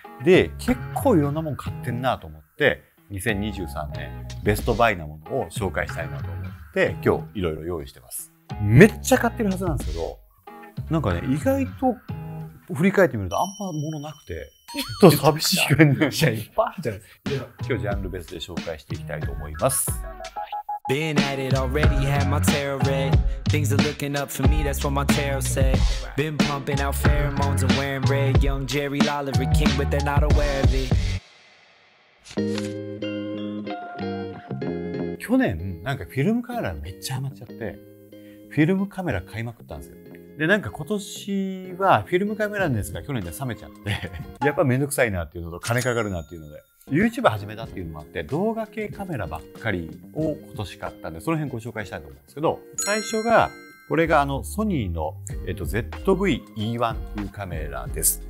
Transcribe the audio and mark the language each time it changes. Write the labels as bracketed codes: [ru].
[ja] で、結構いろんなもん買ってんなと思って、2023年ベストバイなものを紹介したいなと思って今日いろいろ用意してます。めっちゃ買ってるはずなんですけど、なんかね、意外と振り返ってみるとあんま物なくて、ちょっと寂しい感じ。いっぱいあるじゃないですか。今日ジャンル別で紹介していきたいと思います。 [en] Been at it already, had my tarot read. Things are looking up for me, that's what my tarot said. Been pumping out pheromones and wearing red. Young Jerry Lolliver King, but they're not aware of it. [ja] 去年なんかフィルムカメラめっちゃハマっちゃって、フィルムカメラ買いまくったんですよ。で、なんか今年はフィルムカメラのやつが去年で冷めちゃって、やっぱめんどくさいなっていうのと金かかるなっていうので。 YouTube 始めたっていうのもあって、動画系カメラばっかりを今年買ったんで、その辺ご紹介したいと思うんですけど、最初が、これがあのソニーの ZV-E1 っていうカメラです。